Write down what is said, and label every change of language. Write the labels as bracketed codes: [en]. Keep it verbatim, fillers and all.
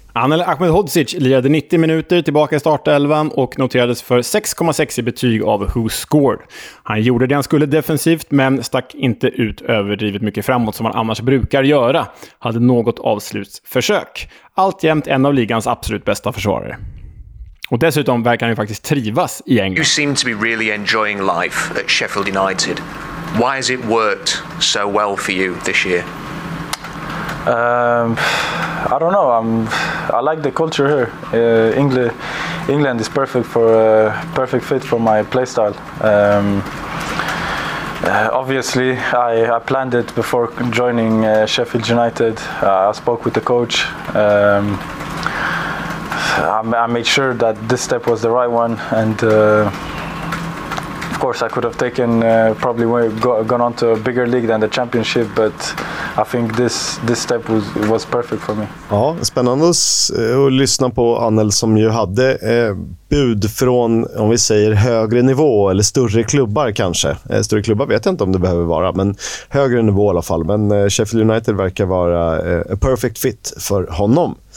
[sv] Anel Ahmedhodzic lirade nittio minuter tillbaka i startelvan och noterades för sex komma sex i betyg av Who Scored. Han gjorde det han skulle defensivt men stack inte ut överdrivet mycket framåt som han annars brukar göra. Hade något avslutsförsök. Alltjämt en av ligans absolut bästa försvarare. Och dessutom verkar han ju faktiskt trivas i England. [en] You seem to be really enjoying life at Sheffield United. Why has it worked so well for you this year? Um, I don't know. I'm, I like the culture here. Uh, England, England is perfect for uh, perfect fit for my playstyle. Um, uh, obviously, I, I planned it before joining uh, Sheffield United. Uh, I spoke with the coach. Um, I, I made sure that this step was the right one, and uh, of course, I could have taken uh, probably way, go, gone on to a bigger league than the Championship, but I think this. this step was was perfect for me. [sv] Ja, spännande att lyssna på Anel som ju hade eh, bud från, om vi säger högre nivå eller större klubbar kanske. Eh, större klubbar vet jag inte om det behöver vara, men högre nivå i alla fall. Men eh, Sheffield United verkar vara eh, [en] a perfect fit [sv] för honom.